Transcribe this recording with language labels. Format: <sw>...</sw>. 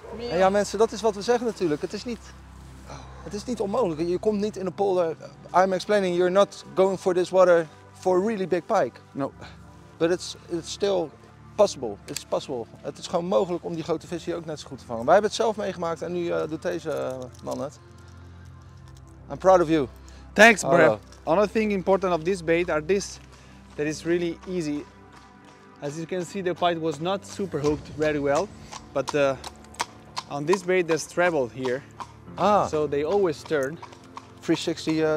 <nl>En ja mensen, dat is wat we zeggen natuurlijk. Het is niet onmogelijk. Je komt niet in een polder.</nl> <en>I'm explaining, you're not going for this water for a really big pike. No. But it's still possible. It's possible.</en> <nl>Het is gewoon mogelijk om die grote vis hier ook net zo goed te vangen. Wij hebben het zelf meegemaakt en nu doet deze man het.</nl> <en>I'm proud of you. Thanks, bro. Another thing important of this bait are this. That is really easy. As you can see, the bite was not super hooked very well. But on this bait, there's treble here. Ah. So they always turn. 360</en>